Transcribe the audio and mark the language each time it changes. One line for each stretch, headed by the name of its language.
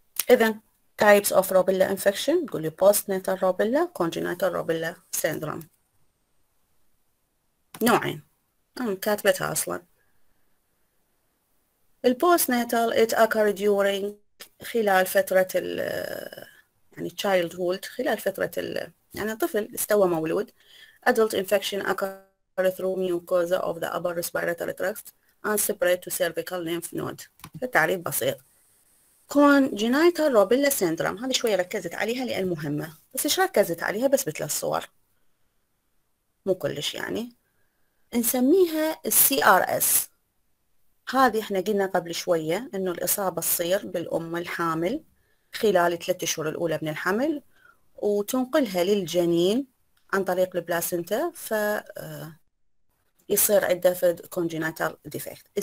English: إذا types of rubella infection،
Arabic: قول لي
English: postnatal rubella, congenital rubella syndrome.
Arabic: نوعين انا كاتبتها اصلا. ال postnatal
English: it occur during
Arabic: خلال فترة ال يعني childhood، خلال فترة ال يعني الطفل استوى مولود.
English: adult infection occur through mucosa of the upper respiratory tract and spread to cervical lymph node.
Arabic: التعريف بسيط. Congenital Rubella Syndrome هذه شوية ركزت عليها لأن مهمة، بس إيش ركزت عليها؟ بس بثلاث صور مو كلش، يعني نسميها CRS. هذه احنا قلنا قبل شوية انه الإصابة تصير بالأم الحامل خلال 3 شهور الأولى من الحمل وتنقلها للجنين عن طريق البلاسنتا، ف يصير عندها فد Congenital Defect.